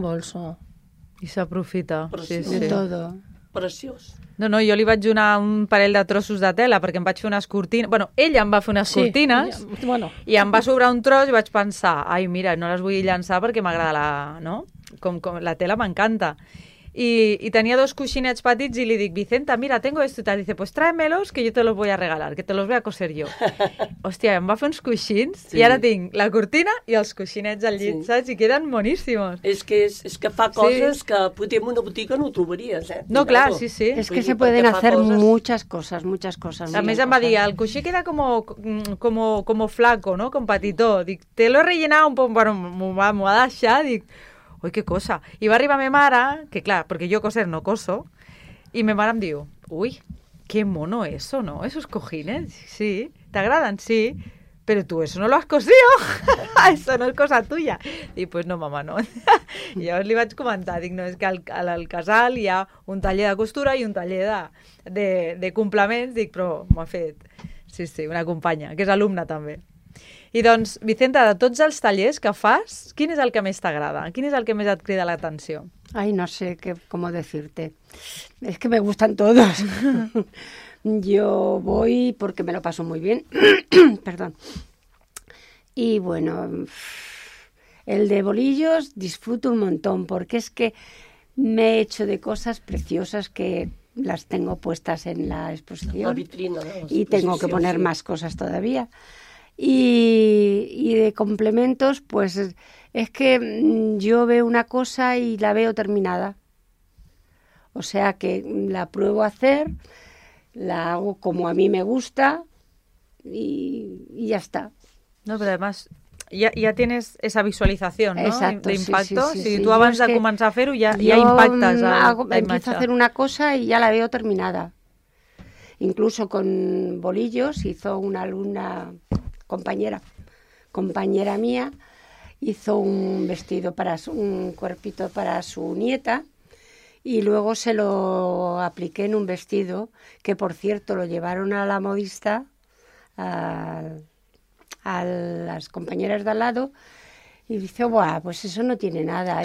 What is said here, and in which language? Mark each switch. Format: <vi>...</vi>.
<es>Un bolso.</es> <ca>I s'aprofita. Preciós. Sí, sí.</ca> <es>Todo.</es> <ca>Preciós. No, jo li vaig donar un parell de trossos de tela perquè em vaig fer unes cortines... Bueno, ella em va fer unes cortines i em va sobrar un tros i vaig pensar, ai, mira, no les vull llançar perquè m'agrada la... No? Com la tela m'encanta. I tenia dos coixinets petits i li dic, Vicenta, mira,</ca> <es>tengo esto. I te dice, pues tráemelos que yo te los voy a regalar, que te los voy a coser yo.</es> <ca>Hòstia, em va fer uns coixins i ara tinc la cortina i els coixinets al llit, saps? I queden boníssimos. És que fa coses que potser en una botiga no trobaries, eh? No, clar, sí, sí. És que</ca> <es>se pueden hacer muchas cosas.</es> <ca>A més em va dir, el coixí queda</ca> <es>como flaco, ¿no?</es> <ca>Com petitó. Dic,</ca> <es>te lo he rellenado un poco,</es> <ca>bueno, m'ho ha deixat, dic... Ui, que cosa. I va arribar ma mare, que clar, perquè jo coser no coso, i ma mare em diu,</ca> <es>ui, que mono eso, no? Esos cojines, sí,</es> <ca>t'agraden,</ca> <es>sí, però tu eso no lo has cosido, eso no es cosa tuya. I pues no, mama, no.</es> <ca>I llavors li vaig comentar, dic, no, és que al casal hi ha un taller de costura i un taller de complements, dic, però m'ha fet, sí, sí, una companya, que és alumna també. I doncs, Vicenta, de tots els tallers que fas, quin és el que més t'agrada? Quin és el que més et crida l'atenció? Ai, no sé com dir-te. És que</ca> <es>me gustan todos. Jo voy porque me lo paso muy bien. Perdón. Y bueno, el de bolillos disfruto un montón porque es que me he hecho de cosas preciosas que las tengo puestas en la exposición. La vitrina, ¿no? Y tengo que poner más cosas todavía. Y de complementos, pues es que yo veo una cosa y la veo terminada. O sea que la pruebo a hacer, la hago como a mí me gusta y ya está. No, pero además ja tienes esa visualització, no? Exacto, de impacto.</es> <ca>Sí. Tu abans de començar a fer-ho ja impactes a la imatge.</ca> <es>Empiezo a hacer una cosa y ya la veo terminada. Incluso con bolillos hizo una alumna, compañera mía, hizo un vestido para un cuerpito para su nieta y luego se lo apliqué en un vestido que, por cierto, lo llevaron a la modista, a las compañeras de al lado, y dice, buah, pues eso no tiene nada.</es>